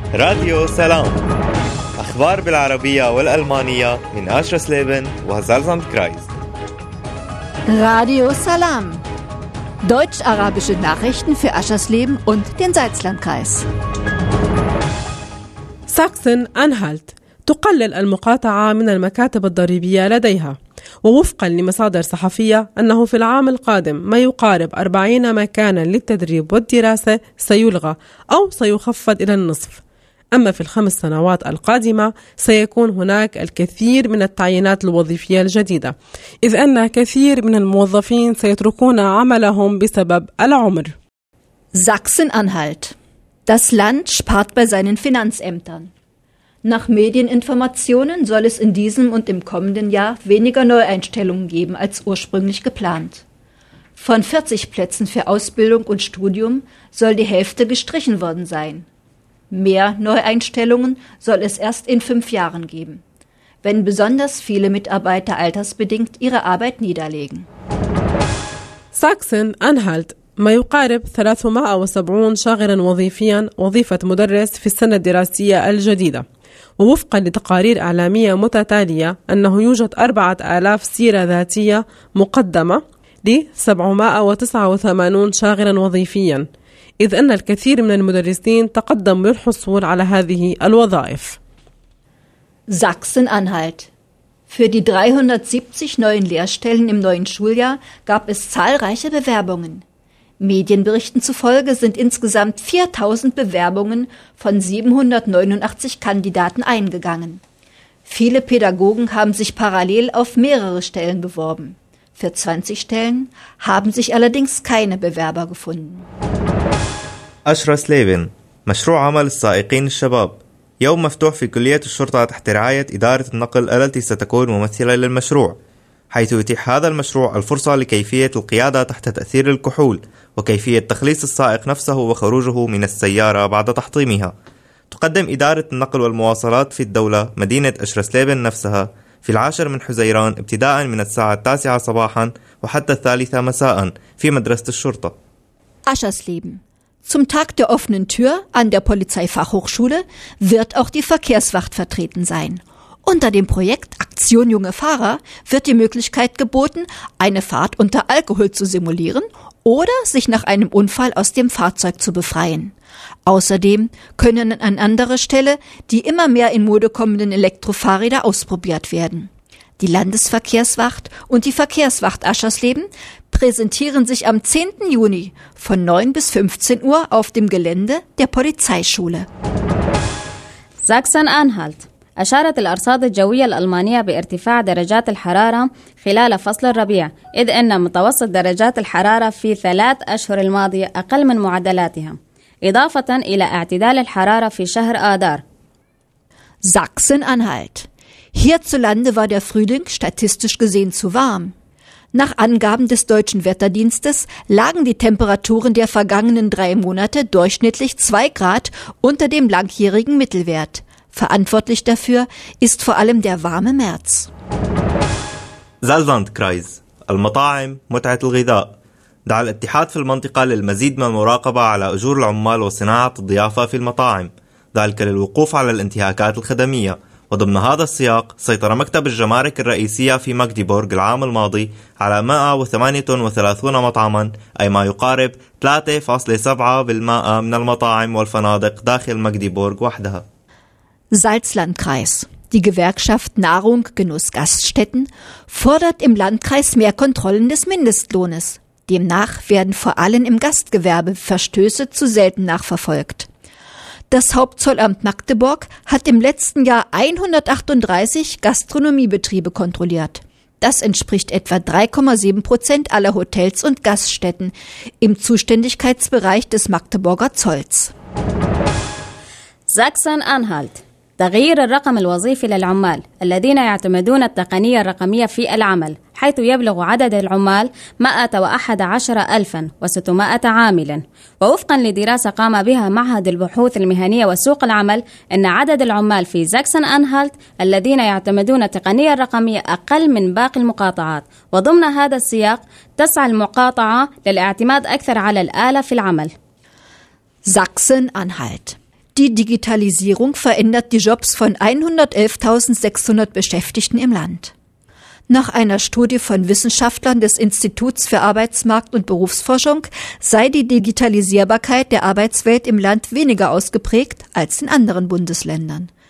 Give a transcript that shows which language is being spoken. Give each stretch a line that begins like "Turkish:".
Arabic: راديو سلام، أخبار بالعربية والألمانية من أشرة سليبن وزلزان كرايز.
German: راديو سلام، Deutsch arabische Nachrichten für Aschersleben und den Salzlandkreis.
Arabic: ساكسن-أنهالت تقلل المقاطعة من المكاتب الضريبية لديها، ووفقا لمصادر صحفية أنه في العام القادم ما يقارب 40 مكانا للتدريب والدراسة سيلغى أو سيخفض إلى النصف. أما في الخمس سنوات القادمة سيكون هناك الكثير من التعيينات الوظيفية الجديدة، إذ أن كثير من الموظفين سيتركون عملهم بسبب العمر.
German: Sachsen-Anhalt. Das Land spart bei seinen Finanzämtern. Nach Medieninformationen soll es in diesem und im kommenden Jahr weniger Neueinstellungen geben als ursprünglich geplant. Von 40 Plätzen für Ausbildung und Studium soll die Hälfte gestrichen worden sein. Mehr Neueinstellungen soll es erst in 5 Jahren geben, wenn besonders viele Mitarbeiter altersbedingt ihre Arbeit niederlegen. Sachsen-Anhalt.
Arabic: ما يقارب 370 شاغرا وظيفيا وظيفة مدرس في السنة الدراسية الجديدة، ووفقا لتقارير إعلامية متتالية أنه يوجد 4000 سيرة ذاتية مقدمة ل 789 شاغرا وظيفيا، إذ أن الكثير من المدرسين تقدموا للحصول على هذه الوظائف.
German: Sachsen-Anhalt. Für die 370 neuen Lehrstellen im neuen Schuljahr gab es zahlreiche Bewerbungen. Medienberichten zufolge sind insgesamt 4000 Bewerbungen von 789 Kandidaten eingegangen. Viele Pädagogen haben sich parallel auf mehrere Stellen beworben. Für 20 Stellen haben sich allerdings keine Bewerber gefunden.
Arabic: أشرة سليبن، مشروع عمل السائقين الشباب، يوم مفتوح في كلية الشرطة تحت رعاية إدارة النقل التي ستكون ممثلة للمشروع، حيث يتيح هذا المشروع الفرصة لكيفية القيادة تحت تأثير الكحول وكيفية تخليص السائق نفسه وخروجه من السيارة بعد تحطيمها. تقدم إدارة النقل والمواصلات في الدولة مدينة أشرة سليبن نفسها في 10 حزيران ابتداء من 9 صباحا وحتى 3 مساء في مدرسة الشرطة. أشرة سليبن.
German: Zum Tag der offenen Tür an der Polizeifachhochschule wird auch die Verkehrswacht vertreten sein. Unter dem Projekt Aktion Junge Fahrer wird die Möglichkeit geboten, eine Fahrt unter Alkohol zu simulieren oder sich nach einem Unfall aus dem Fahrzeug zu befreien. Außerdem können an anderer Stelle die immer mehr in Mode kommenden Elektrofahrräder ausprobiert werden. Die Landesverkehrswacht und die Verkehrswacht Aschersleben präsentieren sich am 10. Juni von 9 bis 15 Uhr auf dem Gelände der Polizeischule. Sachsen-Anhalt.
Arabic: أشارت الأرصاد الجوية الألمانية بارتفاع درجات الحرارة خلال فصل الربيع، إذ أن متوسط درجات الحرارة في 3 أشهر الماضية أقل من معدلاتها، إضافة إلى اعتدال الحرارة في شهر آذار.
German: Sachsen-Anhalt. Hierzulande war der Frühling statistisch gesehen zu warm. Nach Angaben des Deutschen Wetterdienstes lagen die Temperaturen der vergangenen 3 Monate durchschnittlich 2 Grad unter dem langjährigen Mittelwert. Verantwortlich dafür ist vor allem der warme März.
Arabic: Salzlandkreis. المطاعم متعة الغذاء. دعا الاتحاد في المنطقة للمزيد من المراقبة على أجور العمال وصناعة الضيافة في المطاعم، ذلك للوقوف على الانتهاكات الخدمية. وضمن هذا السياق سيطر مكتب الجمارك الرئيسية في ماغديبورغ العام الماضي على 138 مطعما، أي ما يقارب 3.7% من المطاعم والفنادق داخل ماغديبورغ وحدها.
German: Salzlandkreis. Die Gewerkschaft Nahrung Genuss Gaststätten fordert im Landkreis mehr Kontrollen des Mindestlohnes. Demnach werden vor allem im Gastgewerbe Verstöße zu selten nachverfolgt. Das Hauptzollamt Magdeburg hat im letzten Jahr 138 Gastronomiebetriebe kontrolliert. Das entspricht etwa 3.7% aller Hotels und Gaststätten im Zuständigkeitsbereich des Magdeburger Zolls. Sachsen-Anhalt.
Arabic: تغيير الرقم الوظيفي للعمال الذين يعتمدون التقنية الرقمية في العمل، حيث يبلغ عدد العمال 111,600 عاملا. ووفقا لدراسة قام بها معهد البحوث المهنية وسوق العمل، إن عدد العمال في ساكسن-أنهالت الذين يعتمدون التقنية الرقمية أقل من باقي المقاطعات. وضمن هذا السياق تسعى المقاطعة للاعتماد أكثر على الآلة في العمل. ساكسن-أنهالت.
German: Die Digitalisierung verändert die Jobs von 111.600 Beschäftigten im Land. Nach einer Studie von Wissenschaftlern des Instituts für Arbeitsmarkt- und Berufsforschung sei die Digitalisierbarkeit der Arbeitswelt im Land weniger ausgeprägt als in anderen Bundesländern.